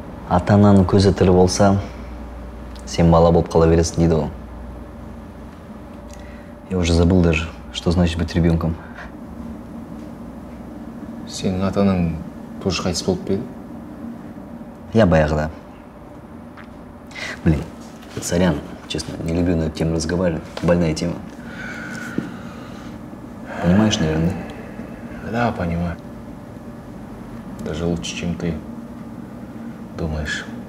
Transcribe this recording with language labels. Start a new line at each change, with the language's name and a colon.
Kazakh: Атананың көзі тірі болса, сен бала болып қала бересің, дейді ол.
Russian: Я уже забыл даже, что значит быть ребенком.
Kazakh: Сенің атаның
Russian: тоже
Kazakh: қайтыс болып па еді?
Russian: Я
Kazakh: баяғыда.
Russian: Блин, сорян, честно, не люблю на эту тему разговаривать. Больная тема. Понимаешь, наверное, да? Да, понимаю. Даже лучше, чем ты думаешь.